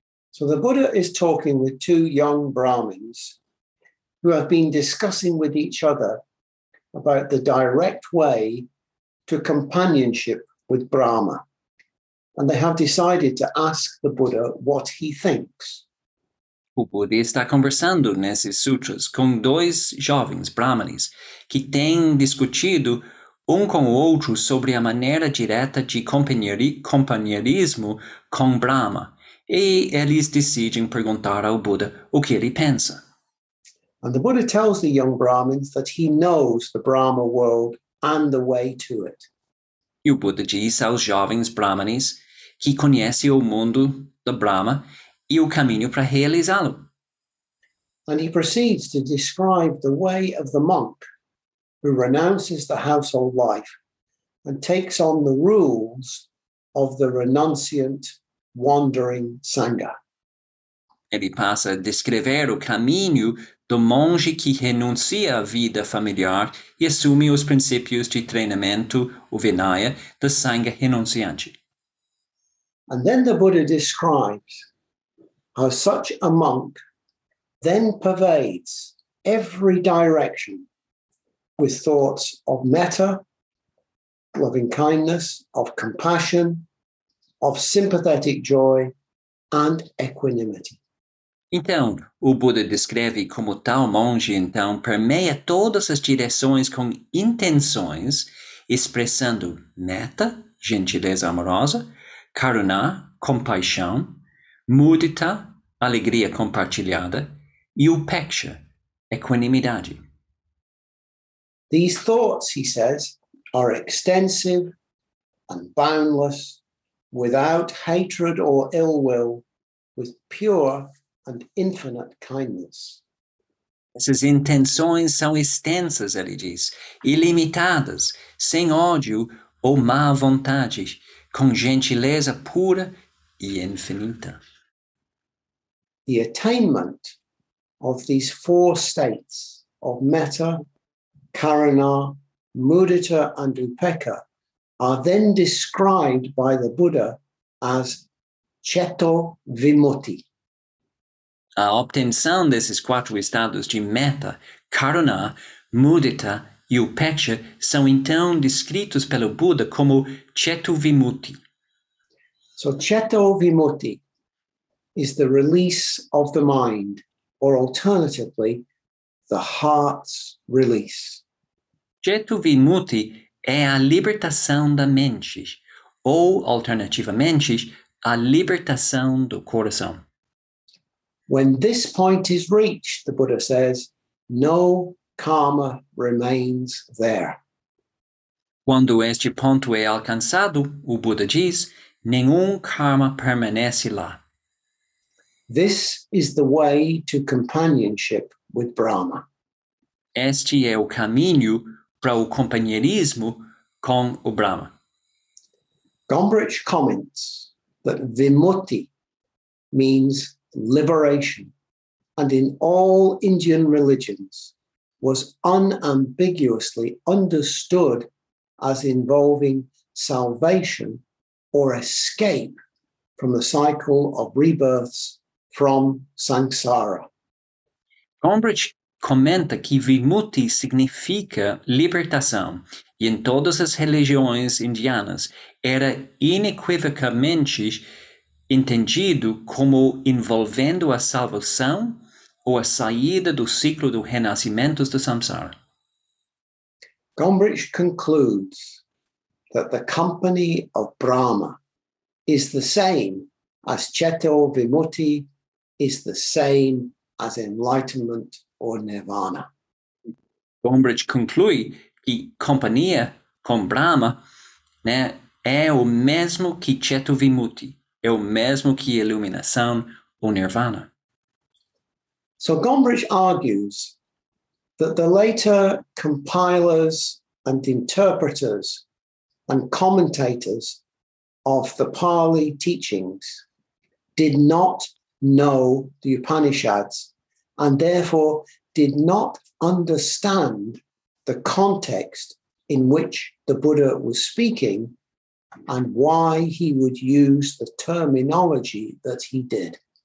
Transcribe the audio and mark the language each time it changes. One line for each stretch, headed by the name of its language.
English: So the Buddha is talking with two young Brahmins who have been discussing with each other about the direct way to companionship with Brahma. And they have decided to ask the Buddha what he thinks.
Portuguese: O Buda está conversando nesses sutras com dois jovens brahmanes que têm discutido com o outro sobre a maneira direta de companheirismo com Brahma. E eles decidem perguntar ao Buda o que ele pensa.
English: And the Buddha tells the young Brahmins that he knows the Brahma world and the way to it.
Portuguese: E o Buda diz aos jovens brahmanes que conhece o mundo do Brahma e o caminho para realizá-lo.
English: And he proceeds to describe the way of the monk who renounces the household life and takes on the rules of the renunciant wandering Sangha.
Portuguese: Ele passa a descrever o caminho do monge que renuncia à vida familiar e assume os princípios de treinamento, o Vinaya, da Sangha renunciante.
English: And then the Buddha describes how such a monk then pervades every direction with thoughts of metta, loving kindness, of compassion, of sympathetic joy, and equanimity.
Portuguese: Então, o Buda descreve como tal monge, então, permeia todas as direções com intenções, expressando metta, gentileza amorosa, karuna, compaixão, mudita, alegria compartilhada, e upeksha, equanimidade.
English: These thoughts, he says, are extensive and boundless, without hatred or ill will, with pure and infinite kindness.
Portuguese: Essas intenções são extensas, ele diz, ilimitadas, sem ódio ou má vontade, com gentileza pura e infinita.
English: The attainment of these four states of metta, karuna, mudita, and upekkha are then described by the Buddha as chetto vimutti.
Portuguese: A obtenção desses quatro estados de metta, karuna, mudita e upeksha são então descritos pelo Buda como chetto vimutti.
English: So chetto vimutti is the release of the mind, or alternatively, the heart's release.
Portuguese: Chetto vimutti é a libertação da mente, ou alternativamente, a libertação do coração.
English: When this point is reached, the Buddha says, no karma remains there.
Portuguese: Quando este ponto é alcançado, o Buddha diz, nenhum karma permanece lá.
English: This is the way to companionship with Brahma.
Portuguese: Este é o caminho para o companheirismo com o Brahma.
English: Gombrich comments that vimutti means liberation, and in all Indian religions was unambiguously understood as involving salvation or escape from the cycle of rebirths from samsara.
Portuguese: Gombrich comenta que vimutti significa libertação, e em todas as religiões indianas era inequivocamente entendido como envolvendo a salvação ou a saída do ciclo do renascimento do samsara.
English: Gombrich concludes that the company of Brahma is the same as chetto vimutti, is the same as enlightenment or nirvana.
Portuguese: Gombrich conclui que companhia com Brahma, né, é o mesmo que chetto vimutti, é o mesmo que iluminação ou nirvana.
English: So Gombrich argues that the later compilers and interpreters and commentators of the Pali teachings did not know the Upanishads and therefore did not understand the context in which the Buddha was speaking and why he would use the terminology that he did.